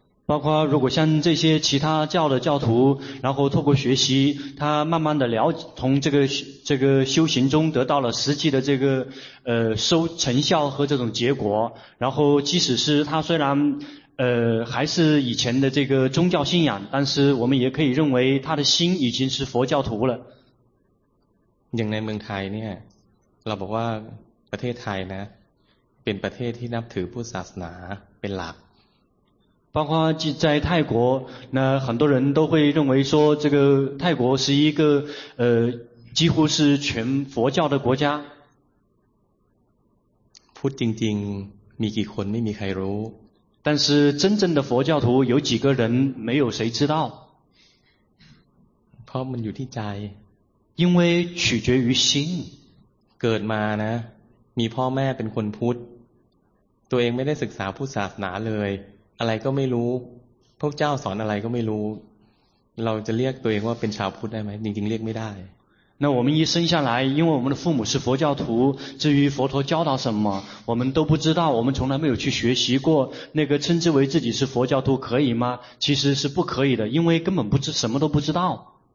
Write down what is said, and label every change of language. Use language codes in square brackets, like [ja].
[zh] 包括如果像这些其他教的教徒然后透过学习他慢慢的了解从这个修行中得到了实际的这个收成效和这种结果然后即使是他虽然还是以前的这个宗教信仰但是我们也可以认为他的心已经是佛教徒了 [th] อย่างในเมืองไทยเนี่ยเราบอกว่าประเทศไทยนะเป็นประเทศที่นับถือพุทธศาสนาเป็นหลัก [zh] 包括在泰国那很多人都会认为说这个泰国是一个几乎是全佛教的国家 [th] พูดจริงๆมีกี่คนไม่มีใครรู้ [zh] 但是真正的佛教徒有几个人没有谁知道 [th] เพราะมันอยู่ที่ใจ [zh] 因为取决于心 [th] เกิดมานะมีพ่อแม่เป็นคนพุทธตัวเองไม่ได้ศึกษาพุทธศาสนาเลยอะไรก็ไม่รู้พวกเจ้าสอนอะไรก็ไม่รู้เราจะเรียกตัวเองว่าเป็นชาวพุทธได้ไหมจริงๆเรียกไม่ได้ [zh] 那我们一生下来因为我们的父母是佛教徒至于佛陀教导什么我们都不知道我们从来没有去学习过那个称之为自己是佛教徒可以吗其实是不可以的因为根本不知什么都不知道